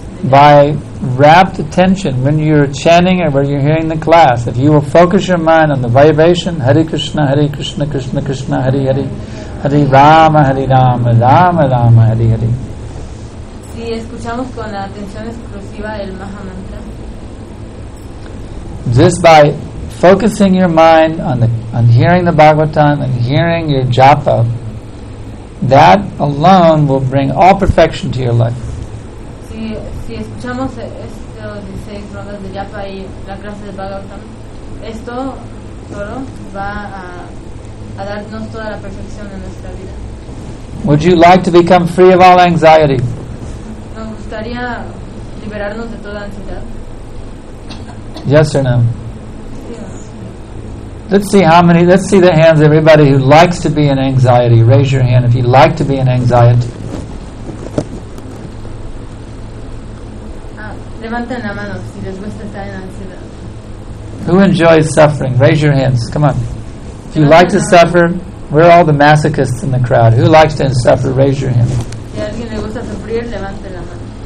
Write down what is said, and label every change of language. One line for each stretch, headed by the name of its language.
English: By rapt attention, when you're chanting or when you're hearing the class, if you will focus your mind on the vibration, Hare Krishna, Hare Krishna, Krishna Krishna, Hare Hare, Hare Rama, Hare Rama, Rama Rama, Hare Hare.
Spanish: Si escuchamos con la atención exclusiva el Maha Mantra,
English: just by focusing your mind on hearing the Bhagavatam and hearing your japa, that alone will bring all perfection to your life.
Spanish: Si escuchamos esto de 16 rondas de japa y la clase de Bhagavatam, esto solo va a darnos toda la perfección en nuestra vida.
English: Would you like to become free of all anxiety?
Spanish: Nos gustaría liberarnos de toda ansiedad.
English: Yes or no? Let's see the hands of everybody who likes to be in anxiety. Raise your hand if you like to be in anxiety.
Spanish: Levanten la mano si les gusta estar en ansiedad.
English: Who enjoys suffering? Raise your hands. Come on. If you like to suffer, we're all the masochists in the crowd. Who likes to suffer? Raise your hand.
Spanish: Si alguien le gusta sufrir, levante la mano.